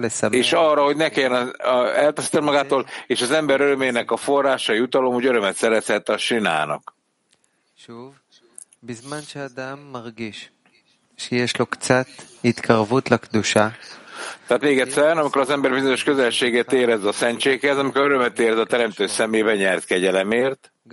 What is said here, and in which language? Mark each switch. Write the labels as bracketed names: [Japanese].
[Hungarian] És arra, hogy ne kelljen eltaszítani magától, és az ember örömének a forrása, jutalom, hogy örömet szerezhet a sinának. [Hebrew] בזמן שאדם מרגיש שיש לו קצת התקרבות לקדושה. [Hungarian] Tehát még egyszer, amikor az ember bizonyos közelségét érez a szentséghez, amikor örömet érez a Teremtő szemébe nyert kegyelemért.